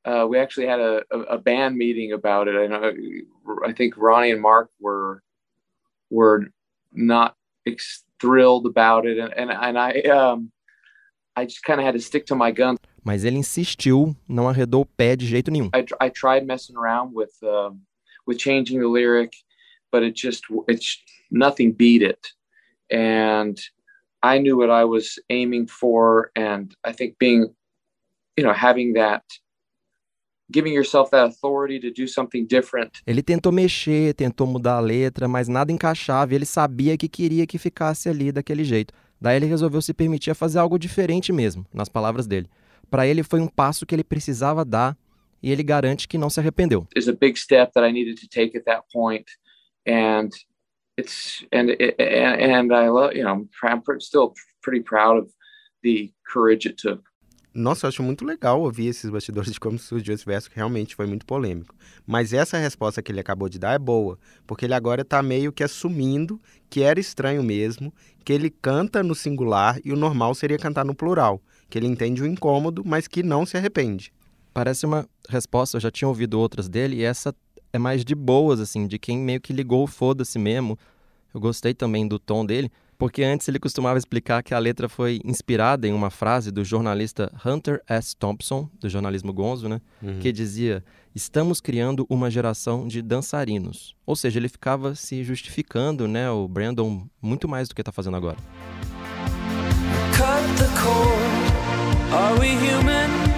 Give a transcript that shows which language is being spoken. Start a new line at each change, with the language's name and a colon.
English: We actually had a band meeting about it. I think Ronnie and Mark were not thrilled about it and I just kind of had to stick to my guns.
Portuguese: Mas ele insistiu, não arredou o pé de jeito nenhum.
English: I tried messing around with changing the lyric, but it's nothing beat it. And I knew what I was aiming for, and I think being, you know, having that, giving yourself that authority to do something different.
Portuguese: Ele tentou mexer, tentou mudar a letra, mas nada encaixava. Ele sabia que queria que ficasse ali daquele jeito. Daí ele resolveu se permitir a fazer algo diferente mesmo, nas palavras dele. Para ele foi um passo que ele precisava dar e ele garante que não se arrependeu.
English: It's a big step that I needed to take at that point, and it's and I love, you know, I'm still pretty proud of the courage it took.
Portuguese: Nossa, eu acho muito legal ouvir esses bastidores de como surgiu esse verso, que realmente foi muito polêmico. Mas essa resposta que ele acabou de dar é boa, porque ele agora está meio que assumindo que era estranho mesmo, que ele canta no singular e o normal seria cantar no plural, que ele entende o incômodo, mas que não se arrepende. Parece uma resposta, eu já tinha ouvido outras dele, e essa é mais de boas, assim, de quem meio que ligou o foda-se mesmo. Eu gostei também do tom dele. Porque antes ele costumava explicar que a letra foi inspirada em uma frase do jornalista Hunter S. Thompson, do jornalismo Gonzo, né? Uhum. Que dizia, estamos criando uma geração de dançarinos. Ou seja, ele ficava se justificando, né, o Brandon, muito mais do que tá fazendo agora.
English: Cut the cord, are we human?